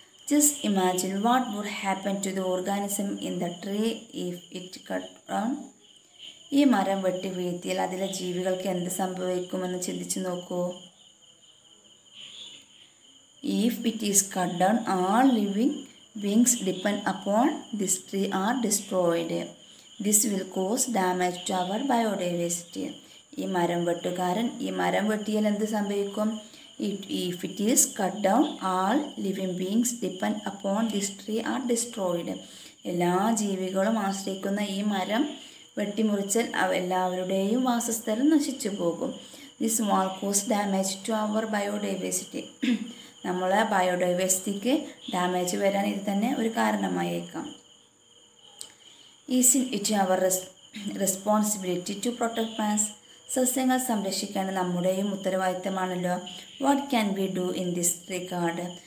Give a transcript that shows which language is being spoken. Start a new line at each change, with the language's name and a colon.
English: Just imagine what would happen to the organism in the tree if it cut down.
Malayalam: ഈ മരം വെട്ടി വീഴ്ത്തിയാൽ അതിലെ ജീവികൾക്ക് എന്ത് സംഭവിക്കുമെന്ന് ചിന്തിച്ചു നോക്കൂ.
English: If it is cut down all living beings depend upon this tree are destroyed. This will cause damage to our biodiversity.
Malayalam: ഈ മരം വെട്ടുകാരൻ ഈ മരം വെട്ടിയാൽ എന്ത് സംഭവിക്കും?
English: If it is cut down, all living beings depend upon this tree are destroyed.
Malayalam: എല്ലാ ജീവികളും ആശ്രയിക്കുന്ന ഈ മരം വെട്ടിമുറിച്ചാൽ എല്ലാവരുടെയും വാസസ്ഥലം നശിച്ചു പോകും.
English: This will cause damage to our biodiversity.
Malayalam: നമ്മളെ ബയോഡൈവേഴ്സിറ്റിക്ക് ഡാമേജ് വരാൻ ഇത് തന്നെ ഒരു കാരണമായേക്കാം.
English: Isn't it our responsibility to protect plants.
Malayalam: സസ്യങ്ങൾ സംരക്ഷിക്കേണ്ട നമ്മുടെയും ഉത്തരവാദിത്തമാണല്ലോ.
English: What can we do in this regard.